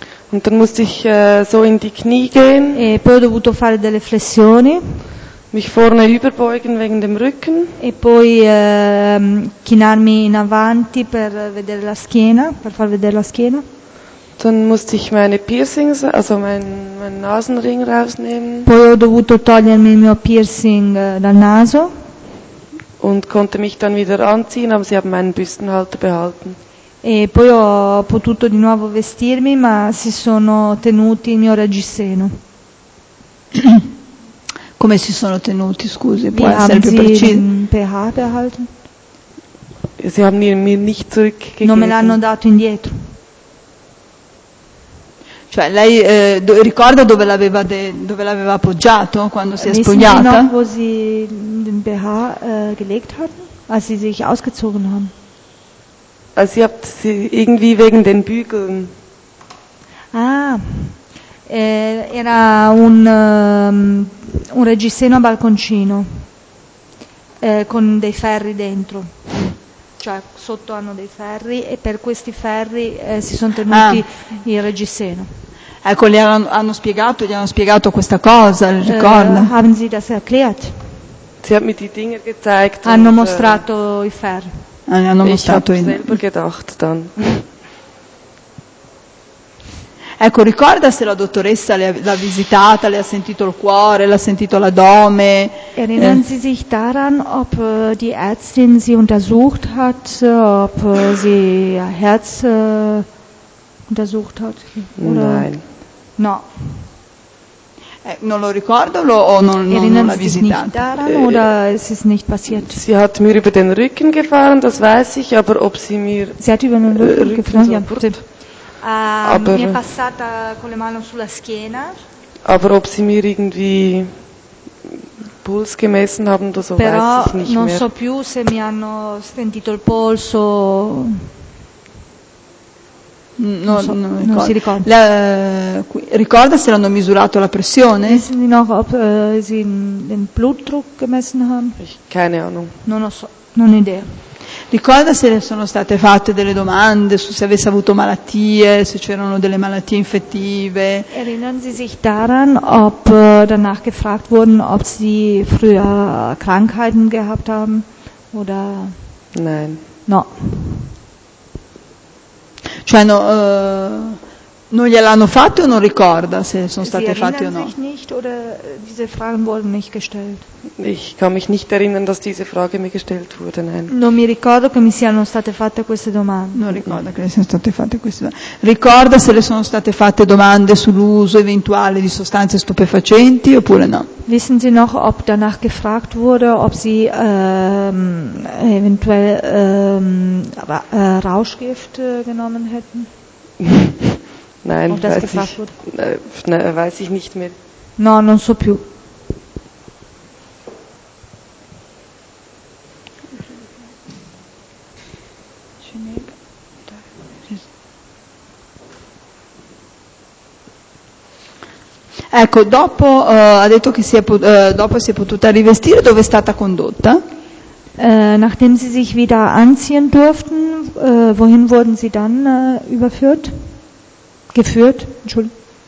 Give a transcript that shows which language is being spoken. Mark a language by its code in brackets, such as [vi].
[de] Und dann musste ich so in die Knie gehen. [it] E poi ho dovuto fare delle flessioni. [de] Mich vorne überbeugen wegen dem Rücken. [it] E poi chinarmi in avanti per vedere la schiena, per far vedere la schiena. [de] Dann musste ich meine Piercings, also mein Nasenring rausnehmen. [it] Poi ho dovuto togliermi il mio piercing dal naso. [de] Und konnte mich dann wieder anziehen, aber sie haben meinen Büstenhalter behalten. [it] E poi ho potuto di nuovo vestirmi, ma si sono tenuti il mio reggiseno. Come si sono tenuti, scusi, può essere più preciso? PH [de] sie haben mir nicht zurückgegeben. [it] Non me l'hanno dato indietro. Cioè, lei ricorda dove l'aveva, dove l'aveva appoggiato quando si è spogliata? [de] Wissen Sie noch, wo sie den BH gelegt hatten, als sie sich ausgezogen haben? Also, ihr habt sie irgendwie wegen den Bügeln. [it] Ah, era un reggiseno a balconcino con dei ferri dentro, cioè sotto hanno dei ferri e per questi ferri si sono tenuti il reggiseno. Ecco, gli hanno spiegato, gli hanno spiegato questa cosa, ricorda? [de] Haben Sie das erklärt? Sie hat mir die Dinge gezeigt. [it] Hanno mostrato i ferri. Hanno mostrato [de] dann. [it] Ecco, ricorda se la dottoressa l'ha visitata, le ha sentito il cuore, l'ha sentito l'addome. [de] Erinnern Sie sich daran, ob die Ärztin sie untersucht hat, ob sie ihr Herz untersucht hat? Nein. [it] No. Non lo ricordo o non l'ha visitata? [de] Erinnern Sie sich daran oder es ist nicht passiert? Sie hat mir über den Rücken gefahren, das weiß ich, aber ob sie mir... Sie hat über den Rücken gefahren, ja. [it] Aber, mi è passata con le mani sulla schiena. [de] Aber ob sie mir irgendwie Puls gemessen haben, das weiß ich nicht mehr. [it] Però non so più se mi hanno sentito il polso. Non si ricorda. Ricorda se l'hanno misurato la pressione? [de] Wissen Sie noch, ob Sie den Blutdruck gemessen haben? Keine Ahnung. [it] Non lo so, non ho idea. Ricorda se le sono state fatte delle domande su se avesse avuto malattie, se c'erano delle malattie infettive. [de] Erinnern Sie sich daran, ob danach gefragt wurden, ob Sie früher Krankheiten gehabt haben? Oder? Nein. [it] No. Cioè, no, non gliel'hanno fatto o non ricorda se sono state [de] Sie [it] fatte o no? [de] Sich nicht oder diese Fragen wurden nicht gestellt. Ich kann mich nicht erinnern, dass diese Frage mir gestellt wurde, nein. [it] Non mi ricordo che mi siano state fatte queste domande. Non ricorda che le siano state fatte queste domande. Ricorda se le sono state fatte domande sull'uso eventuale di sostanze stupefacenti oppure no? [de] Wissen Sie noch, ob danach gefragt wurde, ob Sie eventuell Rauschgift genommen hätten? Nein, weiß ich nicht mehr. [it] No, non so più. Ecco, dopo ha detto che si è potuta rivestire, dove è stata condotta? [de] Nachdem sie sich wieder anziehen durften, wohin wurden sie dann überführt? Geführt, Entschuldigung.